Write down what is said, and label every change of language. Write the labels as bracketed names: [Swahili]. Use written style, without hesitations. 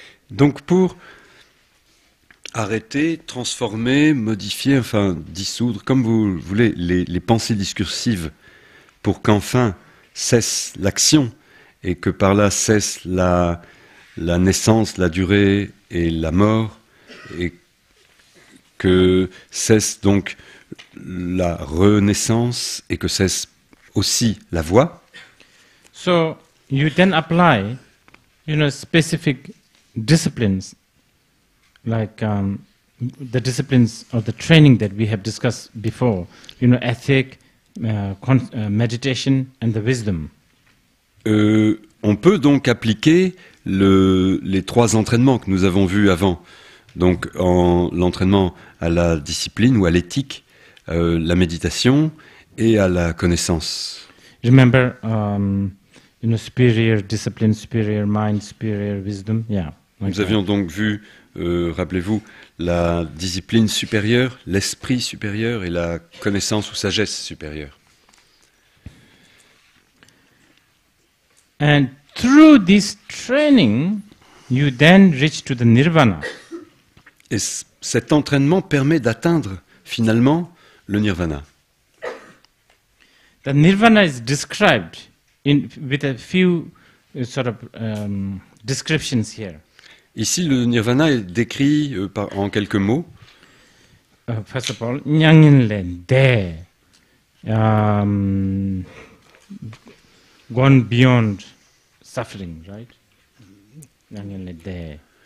[French] Donc pour arrêter, transformer, modifier, enfin dissoudre, comme vous voulez, les pensées discursives pour qu'enfin cesse l'action et que par là cesse la naissance, la durée et la mort et que cesse donc la renaissance et que cesse aussi la voix. [English] So you then apply, you know, specific disciplines, like the disciplines of the training that we have discussed before, you know, ethic, meditation, and the wisdom. [French] On peut donc appliquer les trois entraînements que nous avons vus avant, Donc, en l'entraînement à la discipline ou à l'éthique, la méditation et à la connaissance. Je me souviens, une supérieure discipline, supérieure mind, supérieure wisdom. [English] Yeah, [French] like nous avions donc vu, rappelez-vous, la discipline supérieure, l'esprit supérieur et la connaissance ou sagesse supérieure. [English] And through this training, you then reach to the nirvana. [French] Et cet entraînement permet d'atteindre finalement le nirvana. [English] The nirvana is described in with a few sort of descriptions here. [French] Ici, le nirvana est décrit en quelques mots. [English] First of all, nyangin le de, gone beyond suffering, right? Nyangin le de.